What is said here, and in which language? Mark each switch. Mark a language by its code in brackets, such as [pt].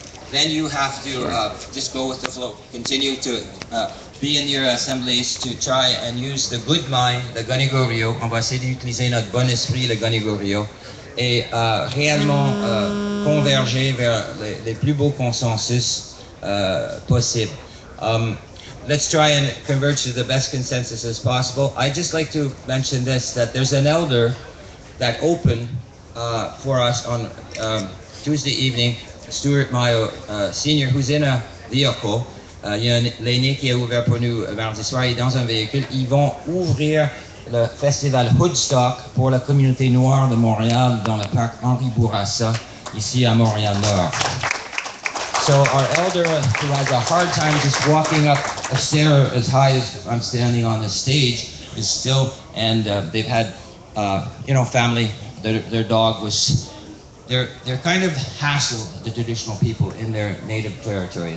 [en] then you have to just go with the flow. Continue to be in your assemblies to try and use the good mind, the ganigorio. [fr] On va essayer d'utiliser notre bon esprit, le ganigorio, et réellement converger vers les plus beaux consensus possibles. [en] Let's try and converge to the best consensus as possible. I'd just like to mention this, that there's an elder that opened for us on Tuesday evening, Stuart Mayo Senior, who's in a vehicle. [fr] Il y a l'aîné qui a ouvert pour nous mardi soir, et dans un véhicule, ils vont ouvrir le festival Hoodstock pour la communauté noire de Montréal dans le parc Henri Bourassa, ici à Montréal-Nord. [en] So our elder, who has a hard time just walking up a stair as high as I'm standing on the stage, is still, and they've had, you know, family, their dog was, they're kind of hassled, the traditional people in their native territory.